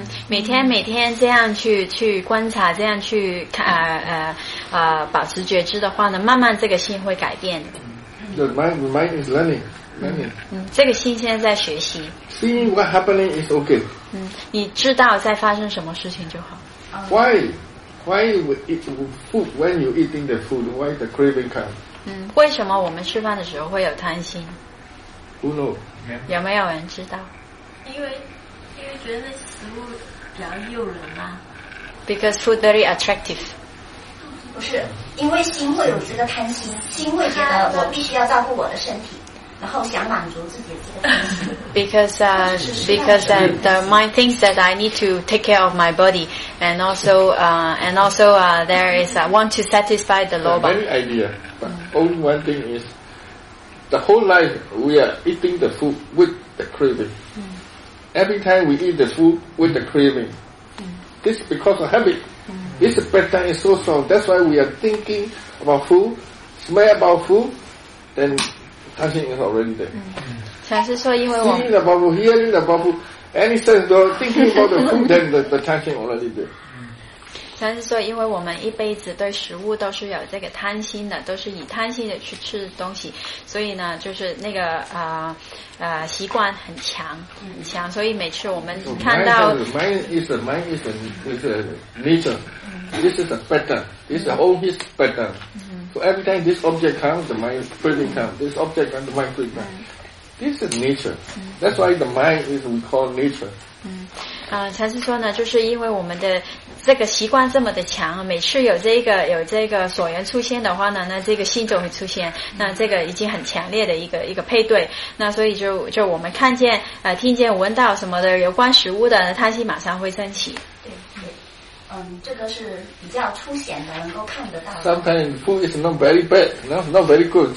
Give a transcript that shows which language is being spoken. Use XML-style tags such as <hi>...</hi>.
<zh>每天这样去观察，这样去保持觉知的话呢，慢慢这个心会改变。</zh> <en>The mind is learning.</en> <zh>这个心现在在学习。</zh> <en>See what happening is okay.</en> <zh>你知道在发生什么事情就好。</zh> <en>Why we eat food? When you eating the food, why the craving come?</en> <zh>为什么我们吃饭的时候会有贪心？不漏，有没有人知道？因为觉得那食物比较诱人嘛。</zh> <en>Because food very attractive。</en> <zh>不是，因为心会有这个贪心，心会觉得我必须要照顾我的身体，然后想满足自己的这个贪心。</zh> <en>Because the mind thinks that I need to take care of my body, and also there is want to satisfy the loba. Very idea, but only one thing is. The whole life, we are eating the food with the craving. Every time we eat the food with the craving. This is because of habit. This pattern is so strong. That's why we are thinking about food, smell about food, then touching is already there.</en> <zh>禅师说因为我</zh> <en>Seeing about food, hearing about food, any sense of thinking about the food, then the touching already there.</en> <zh>但是说因为我们一辈子对食物都是有这个贪心的，都是以贪心的去吃东西，所以呢就是那个习惯很强很强，所以每次我们看到</zh> <en>mind is nature. This is a pattern. This is all his pattern. So every time this object comes, the mind craving comes. This object and the mind craving comes. This is nature. That's why the mind is we call nature.</en> <zh>禅师说呢，就是因为我们的这个习惯这么的强，每次有这个所缘出现的话呢，那这个心就会出现，那这个已经很强烈的一个配对，那所以就我们看见听见闻到什么的有关食物的贪心马上会升起。对，这个是比较出显的，能够看得到。 Sometimes food is not very bad, not very good.</zh>